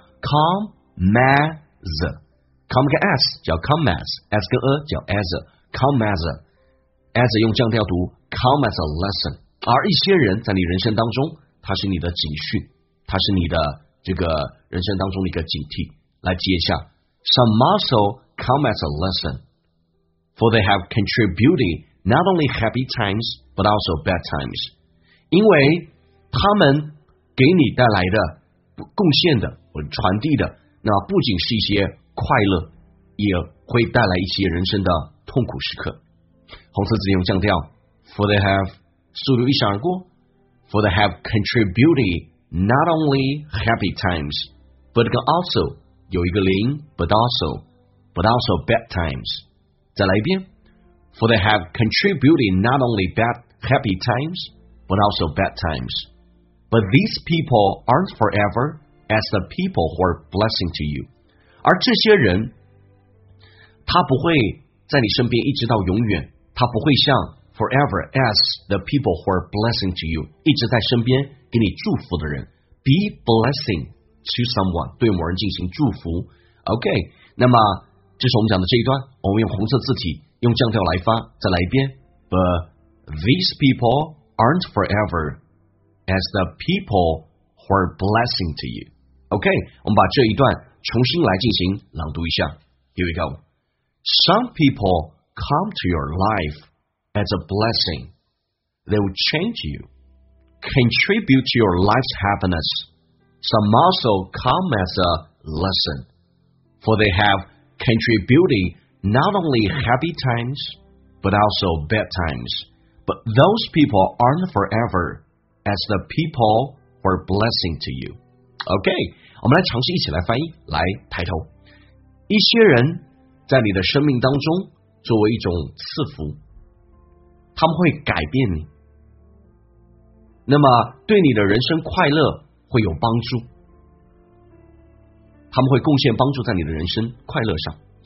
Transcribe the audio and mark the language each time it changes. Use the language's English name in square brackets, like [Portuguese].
[English] Come as, come 跟 as 叫 come as 跟 a 叫 as, come as [Chinese] 用降调读 [English] come as a lesson。 [Chinese] 而一些人在你人生当中，他是你的警讯，他是你的这个人生当中的一个警惕。来记一下 [English] ，Some also come as a lesson, for they have contributed not only happy times but also bad times。 [Chinese] 因为他们给你带来的贡献的。传递的那不仅是一些快乐，也会带来一些人生的痛苦时刻。红色字用降调 [English] For they have [Chinese] 速度一闪而过 [English] For they have contributed not only happy times but also [Chinese] 有一个零 [English] but also bad times。 [Chinese] 再来一遍 [English] For they have contributed not only bad happy times but also bad times but these people aren't foreverAs the people who are blessing to you， [Chinese] 而这些人，他不会在你身边一直到永远，他不会像 [English] forever as the people who are blessing to you [Chinese] 一直在身边给你祝福的人。 [English] Be blessing to someone， [Chinese] 对某人进行祝福。 OK， 那么这是我们讲的这一段，我们用红色字体，用降调来发，再来一遍。 [English] But these people aren't forever as the people. For blessing to you. [Chinese] OK, 我们把这一段重新来进行朗读一下。 [English] Here we go. Some people come to your life as a blessing. They will change you, contribute to your life's happiness. Some also come as a lesson, for they have contributed not only happy times, but also bad times. But those people aren't forever as the peopleAre blessing to you. [Chinese] OK， 我们来尝试一起来翻译，来抬头。一些人在你的生命当中作为一种赐福，他们会改变你，那么对你的人生快乐会有帮助，他们会贡献帮助在你的人生快乐上。